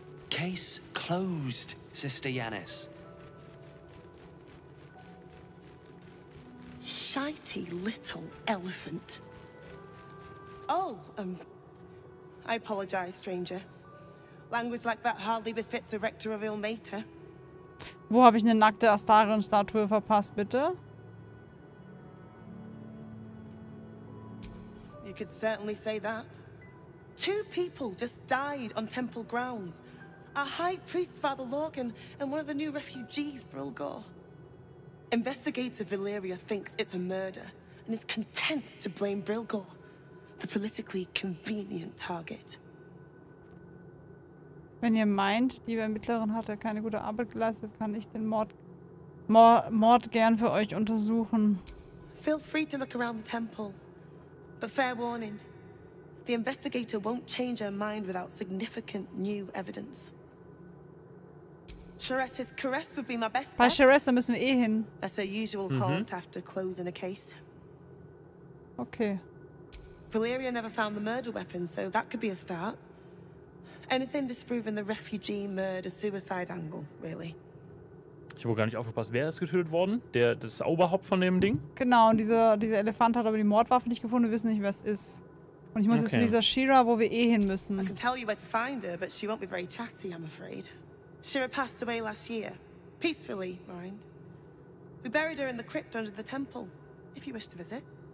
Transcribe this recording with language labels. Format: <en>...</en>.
<en>Case closed, Sister Yanis. Shitey little elephant. I apologize, stranger. Language like that hardly befits the rector of Ilmater.</en> <de>Wo habe ich eine nackte Astarion-Statue verpasst, bitte?</de> <en>You could certainly say that. Two people just died on temple grounds. Our high priest, Father Lorgan, and one of the new refugees, Brilgor. Investigator Valeria thinks it's a murder and is content to blame Brilgor, the politically convenient target.</en> <de>Wenn ihr meint, die Ermittlerin hat ja keine gute Arbeit geleistet, kann ich den Mord gern für euch untersuchen.</de> <en>Feel free to look around the temple, but fair warning, the investigator won't change her mind without significant new evidence. Charesse's caress would be my best bet.</en> <de>Bei Charesse müssen wir eh hin.</de> <en>That's her usual haunt after closing a case. Okay. Valeria never found the murder weapon, so that could be a start. Anything disproving the refugee murder-suicide angle, really.</en> <de>Ich habe gar nicht aufgepasst, wer ist getötet worden? Das Oberhaupt von dem Ding? Genau, und dieser Elefant hat aber die Mordwaffe nicht gefunden, wir wissen nicht, wer es ist. Und ich muss jetzt zu dieser Shira, wo wir eh hin müssen.</de> <en>I can tell you where to find her, but she won't be very chatty, I'm afraid. Shira passed away last year. Peacefully, mind. We buried her in the crypt under the temple, if you wish to visit.</en>